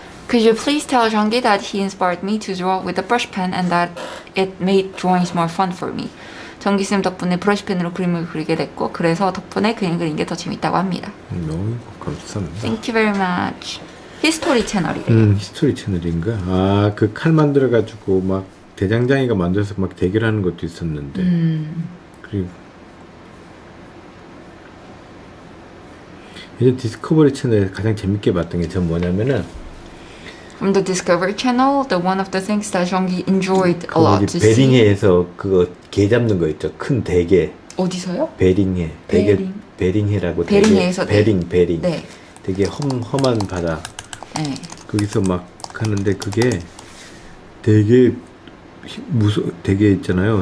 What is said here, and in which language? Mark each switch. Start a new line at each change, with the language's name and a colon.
English: Could you please tell Jong-gi that he inspired me to draw with a brush pen and that it made drawings more fun for me?
Korean: 정기 쌤 덕분에 브러쉬펜으로 그림을 그리게 됐고 그래서 덕분에 그림 그린 게 더 재밌다고 합니다. 너무 감사합니다.
English: Thank you very much.
Korean: 히스토리 채널이래요. 히스토리 채널인가? 아, 그 칼 만들어가지고 막 대장장이가 만들어서 막 대결하는 것도 있었는데. 그리고 예전 디스커버리 채널에서 가장 재밌게 봤던 게 전 뭐냐면은
English: From the Discovery Channel, the one of the things that Jong-gi enjoyed a lot to see.
Korean: 베링해에서 그거 개 잡는 거 있죠? 큰 대게. 어디서요? 베링해. 베링. 베링해라고 베링해에서 대게. 베링. 네. 되게 험한 바다. 네. 거기서 막 하는데 그게 되게 되게 있잖아요.